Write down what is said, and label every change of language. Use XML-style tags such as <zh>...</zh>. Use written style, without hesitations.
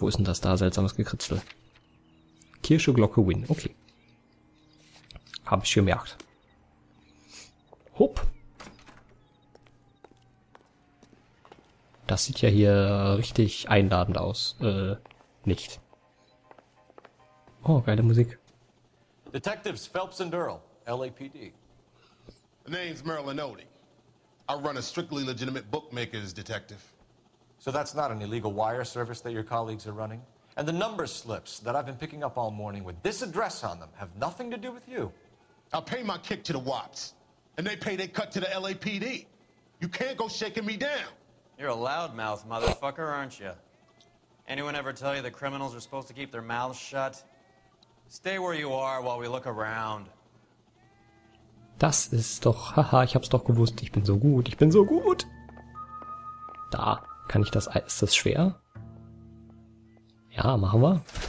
<de>Wo ist denn das da? Seltsames Gekritzel. Kirsche, Glocke, Win. Okay. Habe ich gemerkt. Hopp. Das sieht ja hier richtig einladend aus. Nicht. Oh, geile Musik.</de> <en>Detectives Phelps and Earl, LAPD. My name's Merlin Odie. I run a strictly legitimate bookmaker's detective. So that's not an illegal wire service that your colleagues are running? And the number slips that I've been picking up all morning with this address on them have nothing to do with you? I pay my kick to the WOPs, and they pay their cut to the LAPD. You can't go shaking me down. You're a loudmouth motherfucker, aren't you? Anyone ever tell you that criminals are supposed to keep their mouths shut? Stay where you are while we look around.</en> <de>Das ist doch, haha, ich hab's doch gewusst, ich bin so gut, ich bin so gut. Da, kann ich das, ist das schwer? Ja, machen wir.</de>